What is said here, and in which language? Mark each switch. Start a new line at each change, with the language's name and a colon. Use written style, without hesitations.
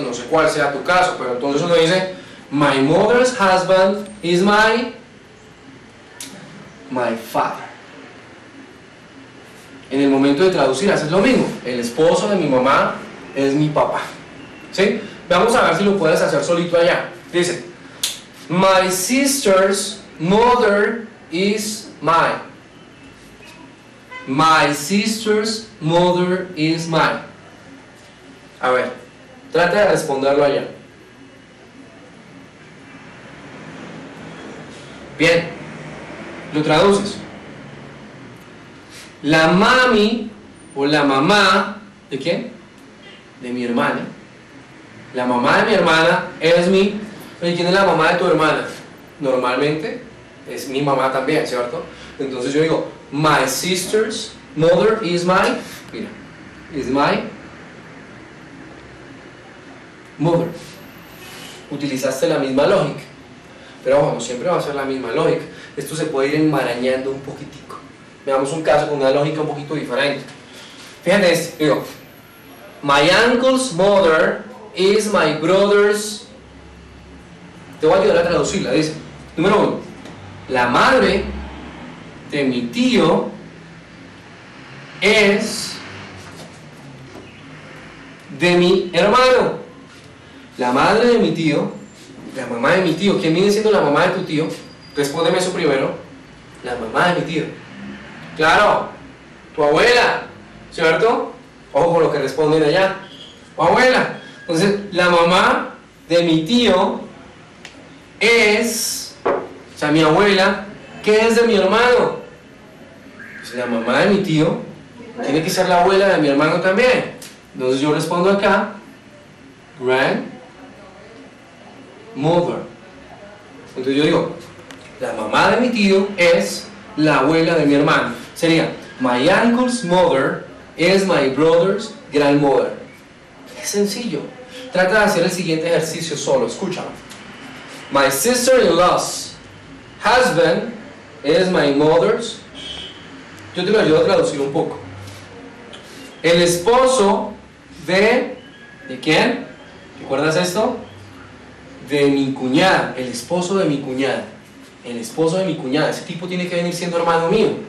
Spanish: No sé cuál sea tu caso, pero entonces uno dice,
English: my mother's husband is my father.
Spanish: En el momento de traducir, haces lo mismo. El esposo de mi mamá es mi papá. ¿Sí? Vamos a ver si lo puedes hacer solito allá.
English: Dice, my sister's mother is mine. My sister's mother is mine.
Spanish: A ver, trata de responderlo allá. Bien, lo traduces. La mami o la mamá, ¿de quién? De mi hermana. La mamá de mi hermana es mi... ¿Y quién es la mamá de tu hermana? Normalmente es mi mamá también, ¿cierto? Entonces yo digo,
English: my sister's mother is my... Mira, is my mother.
Spanish: Utilizaste la misma lógica. Pero ojo, no siempre va a ser la misma lógica. Esto se puede ir enmarañando un poquitico. Veamos un caso con una lógica un poquito diferente. Fíjate esto, digo,
English: my uncle's mother is my brother's...
Spanish: Te voy a ayudar a traducirla, dice. Número uno, la madre de mi tío es de mi hermano. La madre de mi tío, la mamá de mi tío, ¿quién viene siendo la mamá de tu tío? Respóndeme eso primero. La mamá de mi tío. Claro, tu abuela, ¿cierto? Ojo con lo que responden allá. Tu abuela. Entonces, la mamá de mi tío es, o sea, mi abuela ¿Qué es de mi hermano? Pues la mamá de mi tío tiene que ser la abuela de mi hermano también. Entonces yo respondo acá, grandmother. Entonces yo digo, la mamá de mi tío es la abuela de mi hermano.
English: Sería, my uncle's mother is my brother's grandmother.
Spanish: Es sencillo. Trata de hacer el siguiente ejercicio solo, escúchame.
English: My sister-in-law's husband is my mother's...
Spanish: Yo te lo ayudo a traducir un poco. El esposo de... ¿De quién? ¿Recuerdas esto? De mi cuñada, el esposo de mi cuñada. El esposo de mi cuñada, ese tipo tiene que venir siendo hermano mío.